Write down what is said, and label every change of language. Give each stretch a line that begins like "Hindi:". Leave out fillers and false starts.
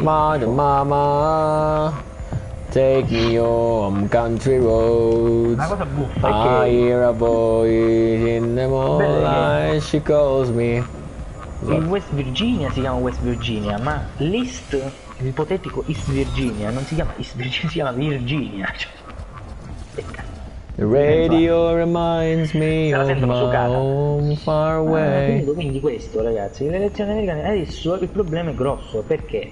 English: Mama, take me on country roads.
Italian: Una cosa buffa è che
English: I hear a voice in the moonlight, she calls me.
Italian: In West Virginia si chiama West Virginia, ma l'East, l'ipotetico East Virginia, non si chiama East Virginia, si chiama Virginia.
English: The radio reminds me of my home far away.
Italian: Quindi questo, ragazzi, le elezioni americane adesso il problema è grosso. Perché?